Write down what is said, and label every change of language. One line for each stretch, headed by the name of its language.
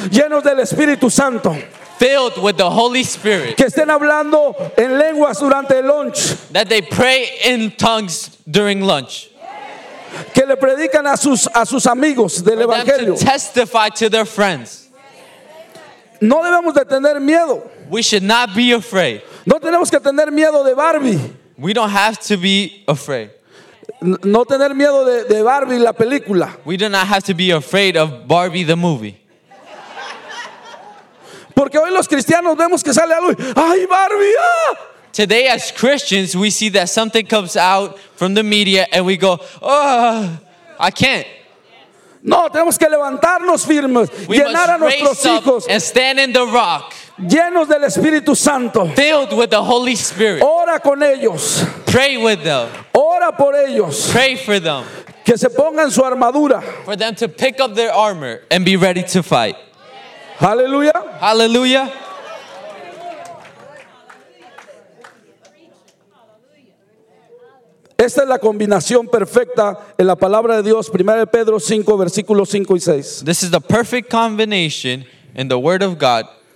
Spanish: Llenos del Espíritu Santo.
English: Filled with the Holy Spirit.
Spanish: Que estén hablando en lenguas durante el lunch.
English: That they pray in tongues during lunch.
Spanish: Que le predican a sus amigos del evangelio.
English: To testify to their friends.
Spanish: No debemos de tener miedo.
English: We should not be afraid.
Spanish: No tenemos que tener miedo de Barbie.
English: We don't have to be afraid.
Spanish: No tener miedo de Barbie la película.
English: We do not have to be afraid of Barbie the movie.
Spanish: Porque hoy los cristianos vemos que sale algo y, ¡ay, Barbie! ¡Ah!
English: Today as Christians we see that something comes out from the media and we go, "Oh, I can't."
Spanish: No, tenemos que levantarnos firmes,
English: we
Spanish: llenar
English: must
Spanish: a nuestros hijos
English: and stand in the rock.
Spanish: Llenos del Espíritu Santo.
English: Filled with the Holy Spirit.
Spanish: Ora con ellos.
English: Pray with them.
Spanish: Ora por ellos.
English: Pray for them.
Spanish: Que se pongan su armadura.
English: For them to pick up their armor and be ready to fight.
Spanish: Hallelujah.
English: Hallelujah.
Spanish: Esta es la combinación perfecta en la palabra de Dios, 1 Pedro 5, versículos 5 y 6.
English: This is the perfect combination in the Word of God.